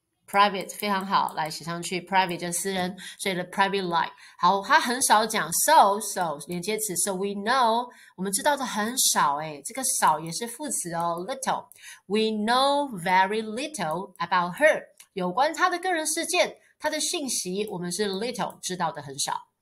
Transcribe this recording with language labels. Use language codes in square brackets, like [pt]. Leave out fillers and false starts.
[zh] private 非常好，来写上去。 private 就是私人，所以 [en] the private life。 [zh] 好，他很少讲 so 连接词 [en] so we know， [zh] 我们知道的很少哎，这个少也是副词哦 little。 [en] we know very little about her， [zh] 有关他的个人事件，他的信息我们是 little， 知道的很少。